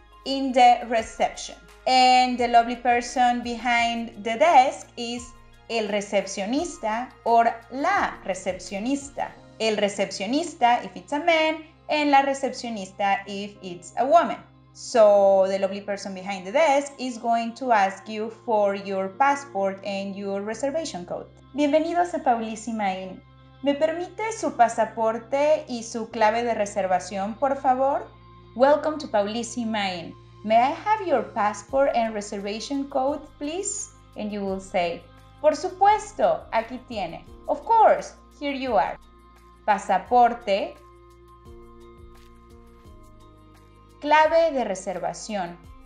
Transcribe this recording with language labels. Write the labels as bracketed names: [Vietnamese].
[English] In the reception. And the lovely person behind the desk is el recepcionista or la recepcionista. El recepcionista if it's a man, and la recepcionista if it's a woman. So the lovely person behind the desk is going to ask you for your passport and your reservation code. [Spanish] Bienvenidos a Paulissima Inn. ¿Me permite su pasaporte y su clave de reservación, por favor? [English] Welcome to Paulissima Inn. May I have your passport and reservation code, please? And you will say, [Spanish] por supuesto, aquí tiene. [English] Of course, here you are. Pasaporte. [Spanish] Clave de reservación.